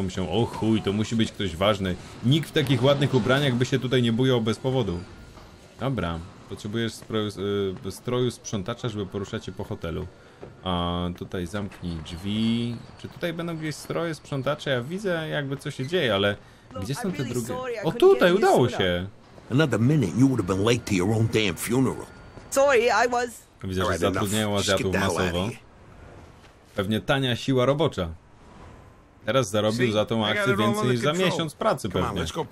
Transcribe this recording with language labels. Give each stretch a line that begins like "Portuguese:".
Polish: Pomyślą, o chuj, to musi być ktoś ważny. Nikt w takich ładnych ubraniach by się tutaj nie bujał bez powodu. Dobra, potrzebujesz stroju sprzątacza, żeby poruszać się po hotelu. A tutaj zamknij drzwi. Czy tutaj będą gdzieś stroje sprzątacze? Ja widzę jakby co się dzieje, ale gdzie są te drugie? O tutaj, udało się.
English: Another minute you would have been late to your own damn funeral. Sorry, I was.
Polish: Widzę, że zatrudniają Azjatów masowo. Pewnie tania siła robocza. Teraz zarobił za tą akcję więcej niż za miesiąc pracy pewnie.